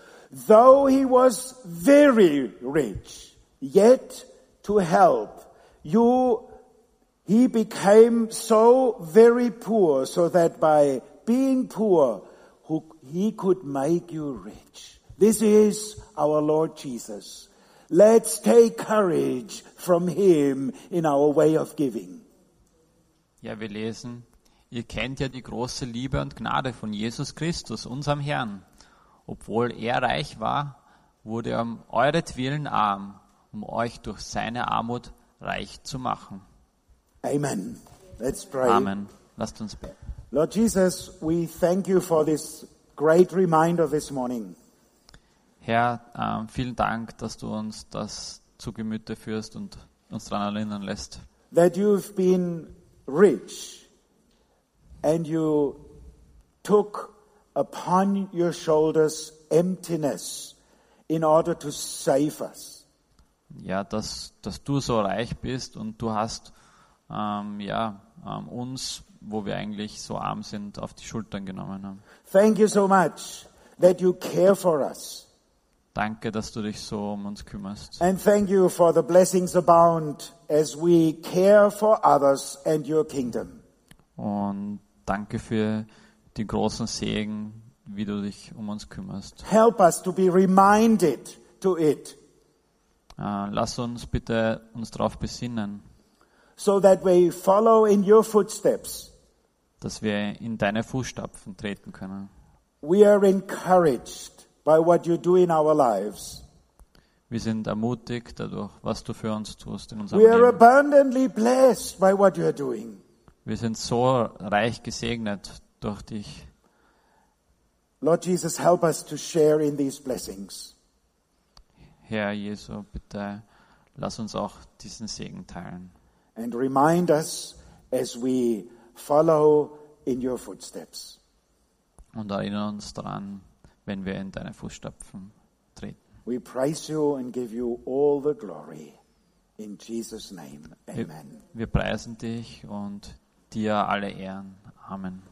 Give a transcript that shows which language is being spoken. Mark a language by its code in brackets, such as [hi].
[en] Though he was very rich, yet to help you, he became so very poor, so that by being poor, he could make you rich. This is our Lord Jesus. Let's take courage from him in our way of giving. [de] Ja, wir lesen, ihr kennt ja die große Liebe und Gnade von Jesus Christus, unserem Herrn. Obwohl er reich war, wurde er um euretwillen arm, um euch durch seine Armut reich zu machen. [en] Amen. Let's pray. [de] Amen. Lasst uns beten. [en] Lord Jesus, we thank you for this great reminder this morning. [de] Herr, vielen Dank, dass du uns das zu Gemüte führst und uns daran erinnern lässt. [en] That you've been rich and you took upon your shoulders emptiness in order to save us. [de] Ja, dass du so reich bist und du hast uns, wo wir eigentlich so arm sind, auf die Schultern genommen haben. [en] Thank you so much that you care for us. [de] Danke, dass du dich so um uns kümmerst. [en] And thank you for the blessings abound as we care for others and your kingdom. [de] Und danke für den großen Segen, wie du dich um uns kümmerst. [en] Help us to be reminded to it. [de] Lass uns bitte uns darauf besinnen. [en] So that we follow in your footsteps. [de] Dass wir in deine Fußstapfen treten können. [en] We are encouraged by what you do in our lives. [de] Wir sind ermutigt dadurch, was du für uns tust in unserem Leben. [en] We are abundantly blessed by what you are doing. [de] Wir sind so reich gesegnet durch dich. [en] Lord Jesus, help us to share in these blessings. [de] Herr Jesu, bitte lass uns auch diesen Segen teilen. [en] And remind us as we follow in your footsteps. [de] Und erinnere uns daran, wenn wir in deine Fußstapfen treten. [en] We praise you and give you all the glory in Jesus' name. Amen. [de] Wir preisen dich und dir alle Ehren. Amen.